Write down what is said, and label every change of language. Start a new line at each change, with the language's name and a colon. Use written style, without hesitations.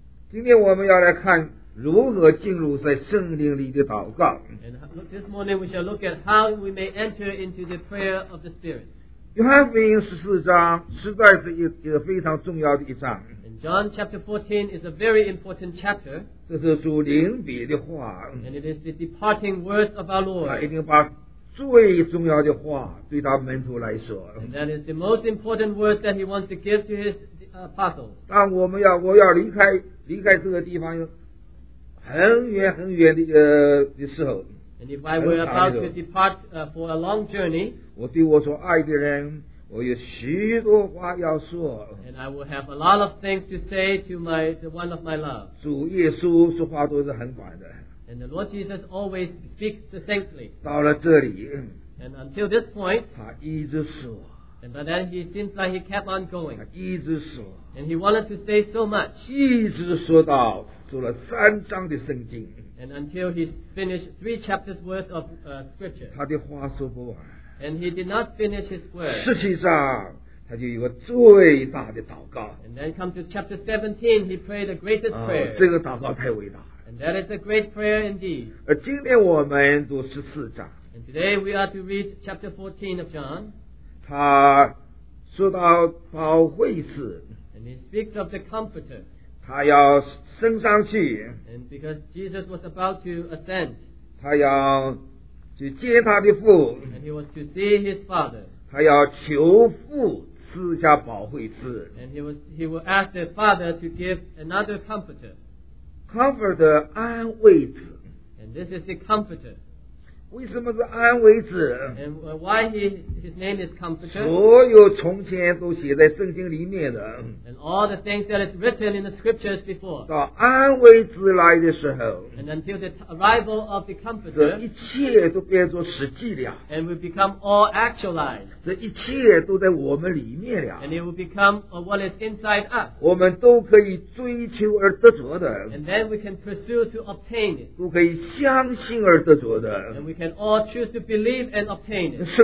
Chinese: 今天我们要来看如何进入在圣灵里的祷告。
English: This morning we shall look at how we may enter into the prayer of the Spirit。
Chinese: 约翰福音十四章实在是一个非常重要的一章。
English: And John chapter 14 is a very important chapter。
Chinese: 这是主临别的话。
English: And it is the departing words of our Lord。
Chinese: 他一定把最重要的话对他门徒来说。
English: And that is the most important words that he wants to give to his apostles。
Chinese: 但我要离开这个地方很远很远 的时候。
English: And if I were about to depart for a long journey，
Chinese: 我对我所爱的人我有许多话要说。
English: And I will have a lot of things to say to my, the one of my love。
Chinese: 主耶稣说话都是很短的。
English: And the Lord Jesus always speaks succinctly。
Chinese: 到了这里，
English: And until this point，
Chinese: 他一直说。
English: And by then he seems like he kept on going。
Chinese: 他一直说。
English: And he wanted to say so much。
Chinese: 一直说到读了三章的圣经。
English: And until he finished three chapters worth of scripture。
Chinese: 他的话说不完。
English: And he did not finish his word。
Chinese: 实际上他就有个最大的祷告。
English: And then come to chapter 17, he prayed the greatest prayer。
Chinese: 这个祷告太伟大。
English: And that is a great prayer indeed。
Chinese: 而今天我们读十四章。
English: And today we are to read chapter 14 of John。
Chinese: 他说到保惠师。
English: And he speaks of the comforter。
Chinese: 他要升上去，
English: and because Jesus was about to ascend，
Chinese: 他要去见他的父，
English: and he was to see his father，
Chinese: 他要求父赐下保惠师，
English: and he will ask the father to give another comforter，
Chinese: comforter 安慰者，
English: and this is the comforter。
Chinese: 为什么是安慰者？
English: and why his name is comforter。
Chinese: 所有从前都写在圣经里面的。
English: All the things that is written in the scriptures before。
Chinese: 到安慰之来的时候，
English: and until the arrival of the comforter，
Chinese: 这一切都变作实际了，
English: and will become all actualized，
Chinese: 这一切都在我们里面了，
English: and it will become what is inside us，
Chinese: 我们都可以追求而得着的，
English: and then we can pursue to obtain it，
Chinese: 都可以相信而得着的，
English: and we can all choose to believe and obtain it。